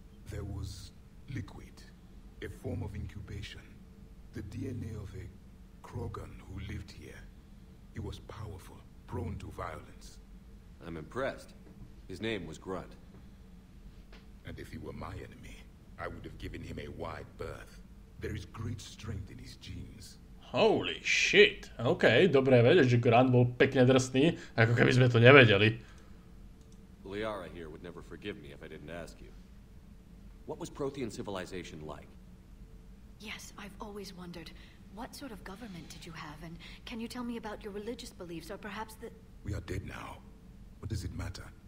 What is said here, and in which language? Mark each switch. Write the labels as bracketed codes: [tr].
[en] There was liquid, a form of incubation, the DNA of a Krogan who lived here. He was powerful, prone to violence. I'm impressed. His name was Grunt. And if he were my enemy, I would have given him a wide berth. There is great strength in his genes. Holy shit! [sk] Okay, dobre vedieť, že Grunt bol pekne drsný, ako keby sme to nevedeli. [en] Liara here would never forgive me if I didn't ask you. What was Prothean civilization like? Yes, I've always wondered. What sort of government did you have, and can you tell me about your religious beliefs, or perhaps the... We are dead now. What does it matter?